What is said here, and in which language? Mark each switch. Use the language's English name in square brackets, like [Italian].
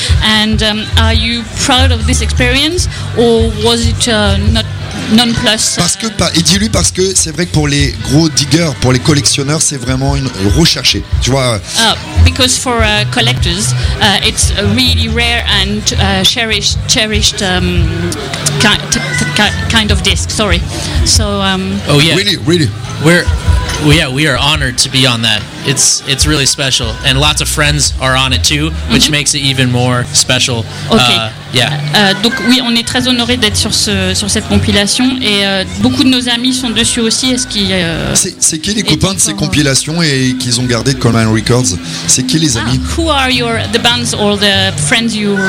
[English] And are you proud of this experience, or was it not? [French] Non plus. Parce que, et dis-lui, parce que c'est vrai que pour les gros diggers, pour les collectionneurs, c'est vraiment une recherchée. Tu vois. [English] Because for collectors, it's really rare and cherished kind of disc. Sorry. So. Oh yeah. Really. We are honored to be on that. It's really special, and lots of friends are on it too, which makes it even more special. Okay. Yeah. [French] Donc oui, on est très honoré d'être sur cette compilation, et beaucoup de nos amis sont dessus aussi. Est-ce qu'ils C'est qui les copains de ces compilations et qu'ils ont gardé de Coalmine Records? C'est qui les amis? [English] Who are the bands or the friends you